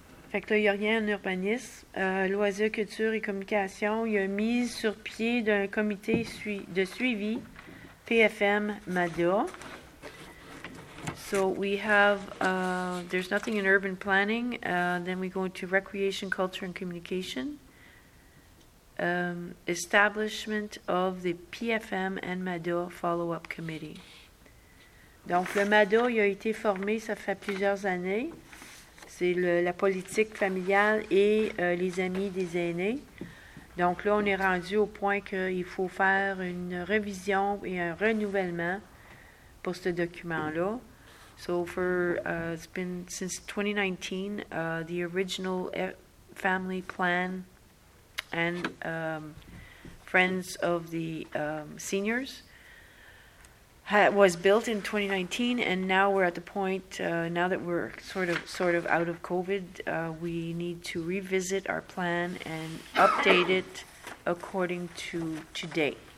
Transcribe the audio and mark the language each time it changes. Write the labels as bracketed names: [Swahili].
[French] Fait que là, il n'y a rien en urbanisme. Loisirs, culture et communication, il y a mise sur pied d'un comité de suivi, PFM MADA. [English] So we have, there's nothing in urban planning. Then we go into recreation, culture and communication. Establishment of the PFM and MADA follow-up committee. [French] Donc le MADA, il a été formé, ça fait plusieurs années. C'est la politique familiale et les amis des aînés. Donc là, on est rendu au point qu'il faut faire une révision et un renouvellement pour ce document-là. [English] So it's been since 2019, the original family plan and friends of the seniors was built in 2019, and now we're at the point, now that we're sort of out of COVID, we need to revisit our plan and update it according to today.